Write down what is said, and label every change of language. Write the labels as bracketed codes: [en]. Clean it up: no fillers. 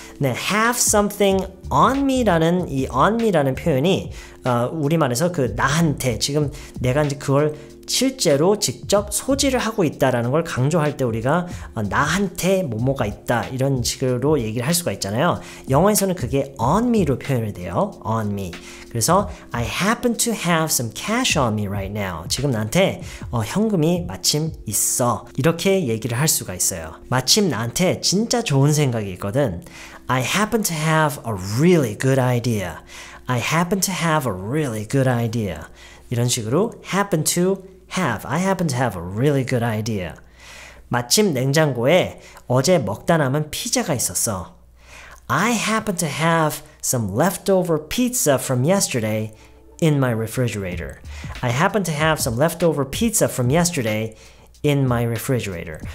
[ko] 네, [en] have something on me [ko] 라는 이 on me라는 표현이 우리말에서 그 나한테 지금 내가 이제 그걸 실제로 직접 소지를 하고 있다라는 걸 강조할 때 우리가 나한테 뭐뭐가 있다 이런 식으로 얘기를 할 수가 있잖아요. 영어에서는 그게 on me로 표현을 돼요. [en] on me. [ko] 그래서 [en] I happen to have some cash on me right now. [ko] 지금 나한테 현금이 마침 있어. 이렇게 얘기를 할 수가 있어요. 마침 나한테 진짜 좋은 생각이 있거든. [en] I happen to have a really good idea. I happen to have a really good idea. [ko] 이런 식으로 [en] happen to have. I happen to have a really good idea. [ko] 마침 냉장고에 어제 먹다 남은 피자가 있었어. [en] I happen to have some leftover pizza from yesterday in my refrigerator. I happen to have some leftover pizza from yesterday in my refrigerator.